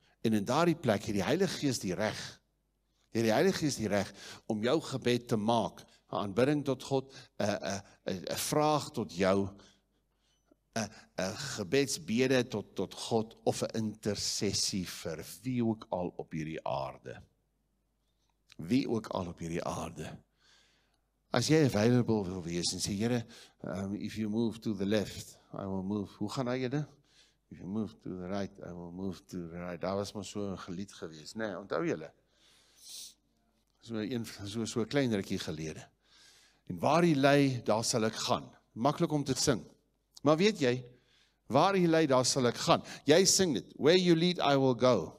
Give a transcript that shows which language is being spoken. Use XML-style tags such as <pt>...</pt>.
<af>En in daardie plek het die Heilige Gees die reg, het die Heilige Gees die reg om jou gebed te maak, 'n aanbidding tot God, 'n vraag tot jou, 'n gebedsbede tot God, of 'n intersessie vir wie ook al op hierdie aarde. Wie ook al op hierdie aarde. As jy available wil wees, en sê, Here,</af> <en>if you move to the left, I will move.</en> <af>Hoe gaan hy jy dit?</af> <en>If you move to the right, I will move to the right.</en> <af>Daar was maar so 'n gelied gewees. Nee, onthou jylle. So klein rikkie gelede. En waar hy lei, daar sal ek gaan. Maklik om te sing. Maar weet jy, waar jy lei, daar sal ek gaan. Jy sing dit,</af> <en>where you lead, I will go.</en>